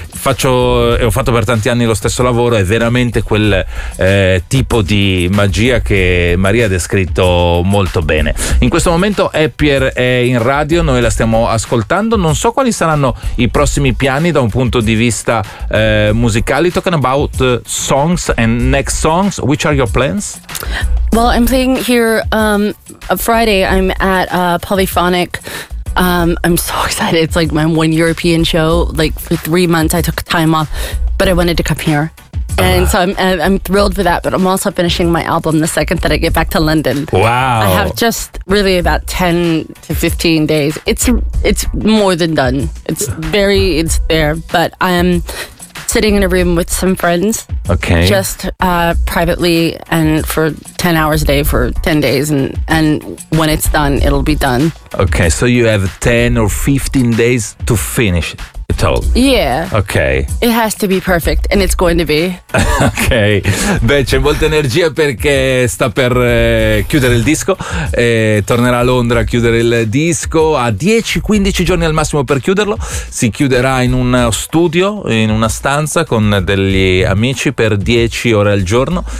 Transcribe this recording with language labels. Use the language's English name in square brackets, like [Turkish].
[Italian] Ho fatto per tanti anni lo stesso lavoro, è veramente quel tipo di magia che Maria ha descritto molto bene. In questo momento Happier è in radio, noi la stiamo ascoltando, non so quali saranno i prossimi piani da un punto di vista musicale. [English] Talking about songs and next songs, which are your plans? Well, I'm playing here Friday, I'm at Polyphonic. I'm so excited. It's like my one European show. Like for 3 months I took time off, but I wanted to come here. And so I'm thrilled for that, but I'm also finishing my album the second that I get back to London. Wow. I have just really about 10 to 15 days. It's more than done. It's there, but I'm sitting in a room with some friends. Okay. Just privately and for 10 hours a day for 10 days. And when it's done, it'll be done. Okay. So you have 10 or 15 days to finish it all. Yeah. Okay. It has to be perfect, and it's going to be. Okay. [Italian] Beh, c'è molta energia perché sta per chiudere il disco. Tornerà a Londra a chiudere il disco. Ha 10-15 giorni al massimo per chiuderlo. Si chiuderà in un studio, in una stanza con degli amici per 10 ore al giorno.